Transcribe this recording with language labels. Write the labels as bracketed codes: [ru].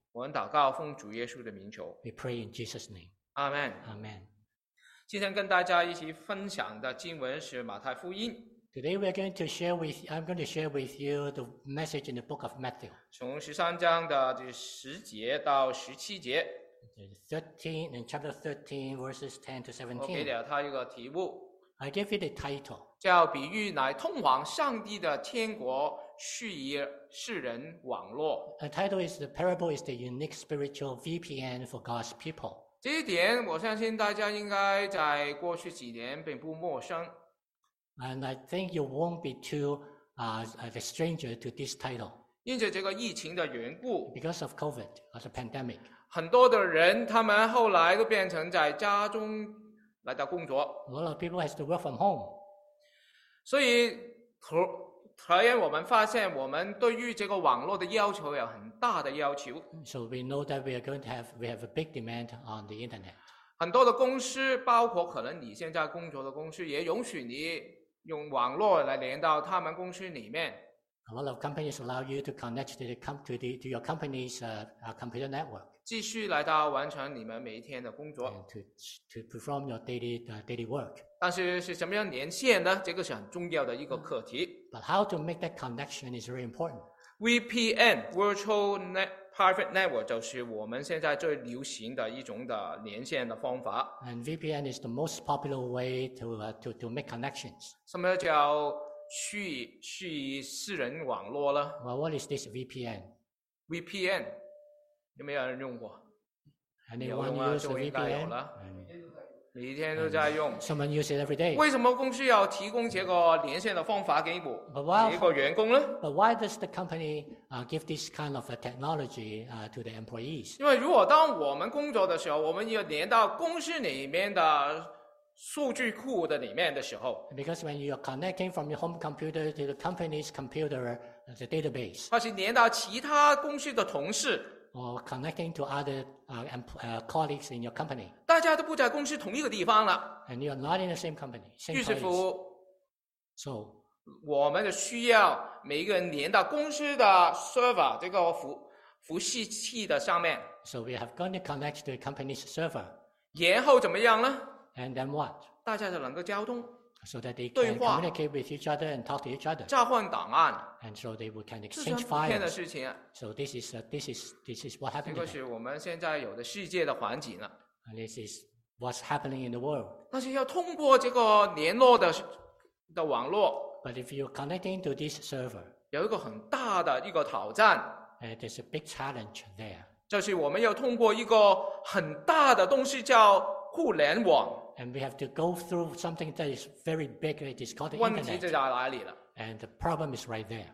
[zh] 我们祷告奉主耶稣的名求。 [en] We pray in Jesus' name. Amen. Amen. [zh] 今天跟大家一起分享的经文是马太福音。 [en] Today we're going to share with I'm going to share with you the message in the book of Matthew. [zh] 从十三章的第十节到十七节。 [en] 13, in chapter 13, verses 10 to 17. [zh] 我给了他一个题目。 [en] I give it a title. [zh] 叫比喻乃通往上帝的天国蓄以世人网络。 [en] The title is the parable is the unique spiritual VPN for God's people. [zh] 这一点我相信大家应该在过去几年并不陌生。 [en] And I think you won't be too, a stranger to this title. [zh] 因着这个疫情的缘故。 [en] Because of COVID, or the pandemic. [zh] 很多的人他们后来都变成在家中来到工作。 [en] A lot of people has to work from home. [zh] 所以突然我们发现我们对于这个网络的要求有很大的要求。 [en] So we know that we have a big demand on the internet. [zh] 很多的公司包括可能你现在工作的公司也允许你用网络来连到他们公司里面。 [en] A lot of companies allow you to connect to your company's computer network. [zh] 继续来到完成你们每一天的工作。 [en] And to perform your daily work. [zh] 但是是怎么样连线呢？这个是很重要的一个课题。 [en] But how to make that connection is very important. VPN, Virtual Private Network, [zh] 就是我们现在最流行的一种的连线的方法。 [en] And VPN is the most popular way to make connections. [zh] 什么叫去私人网络了。 [en] Well, what is this VPN? [zh] VPN 有没有人用过？ [en] Anyone use VPN? [zh] 每天都在用。 [en] Someone use it every day. [zh] 为什么公司要提供这个连线的方法给我？ [en] But why, [zh] 给一个员工呢？ [en] But why does the company give this kind of a technology to the employees? [zh] 因为如果当我们工作的时候，我们要连到公司里面的数据库的里面的时候。 [en] Because when you are connecting from your home computer to the company's computer, the database. [zh] 它是连到其他公司的同事。 [en] Or connecting to other colleagues in your company. [zh] 大家都不在公司同一个地方了。 [en] And you are not in the same company, same place. [zh] 于是乎。 [en] So. [zh] 我们就需要每一个人连到公司的 server, 这个服务器的上面。 [en] So we have got to connect to the company's server. [zh] 然后怎么样呢？ [en] And then what? [zh] 大家就能够交通。 [en] So that they can communicate with each other and talk to each other. [zh] 交换档案。 [en] And so they can exchange files. [zh] 这是很普遍的事情。 [en] So this is what happened. [zh] 这个是我们现在有的世界的环境了。 [en] And this is what's happening in the world. [zh] 但是要通过这个联络的网络。 [en] But if you're connecting to this server. [zh] 有一个很大的一个挑战。 [en] And there's a big challenge there. [zh] 就是我们要通过一个很大的东西叫互联网。 [en] And we have to go through something that is very big. It is called the internet. [zh] 问题就在哪里了。 [en] And the problem is right there.